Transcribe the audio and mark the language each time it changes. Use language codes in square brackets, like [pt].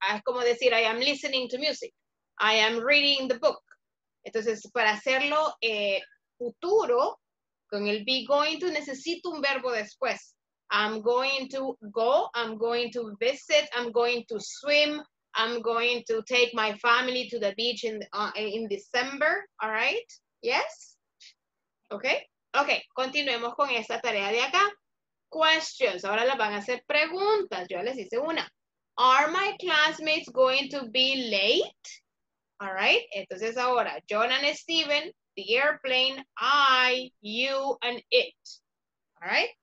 [es] Es como decir [en] I am listening to music. I am reading the book. [es] Entonces, para hacerlo futuro, con el be going to, necesito un verbo después. [en] I'm going to go, I'm going to visit, I'm going to swim, I'm going to take my family to the beach in December, all right? [es] Yes? Okay? Okay, continuemos con esta tarea de acá. Questions, ahora las van a hacer preguntas, yo les hice una. [en] Are my classmates going to be late? All right, entonces ahora, John and Steven, the airplane, I, you, and it, all right?